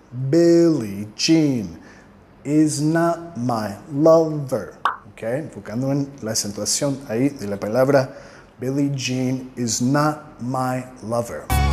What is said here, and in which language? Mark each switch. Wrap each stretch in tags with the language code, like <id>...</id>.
<en>Billie Jean is not my lover.</en> <es>Okay, enfocando en la acentuación ahí de la palabra.</es> <en>Billie Jean is not my lover.</en>